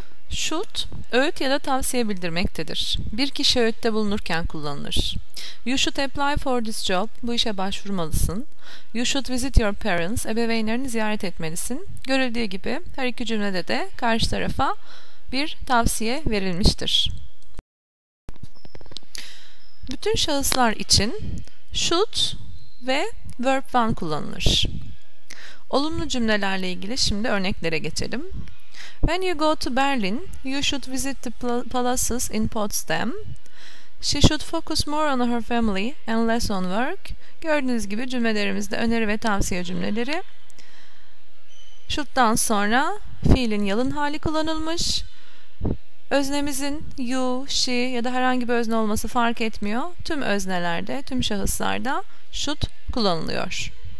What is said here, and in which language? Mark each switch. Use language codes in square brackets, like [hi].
[tr] Şut, öğüt ya da tavsiye bildirmektedir. Bir kişi öğütte bulunurken kullanılır. [en] You should apply for this job. [tr] Bu işe başvurmalısın. [en] You should visit your parents. [tr] Ebeveynlerini ziyaret etmelisin. Görüldüğü gibi her iki cümlede de karşı tarafa bir tavsiye verilmiştir. Bütün şahıslar için should ve verb 1 kullanılır. Olumlu cümlelerle ilgili şimdi örneklere geçelim. [en] When you go to Berlin, you should visit the palaces in Potsdam. She should focus more on her family and less on work. [tr] Gördüğünüz gibi cümlelerimizde öneri ve tavsiye cümleleri. Should'dan sonra fiilin yalın hali kullanılmış. Öznemizin you, she ya da herhangi bir özne olması fark etmiyor. Tüm öznelerde, tüm şahıslarda should kullanılıyor.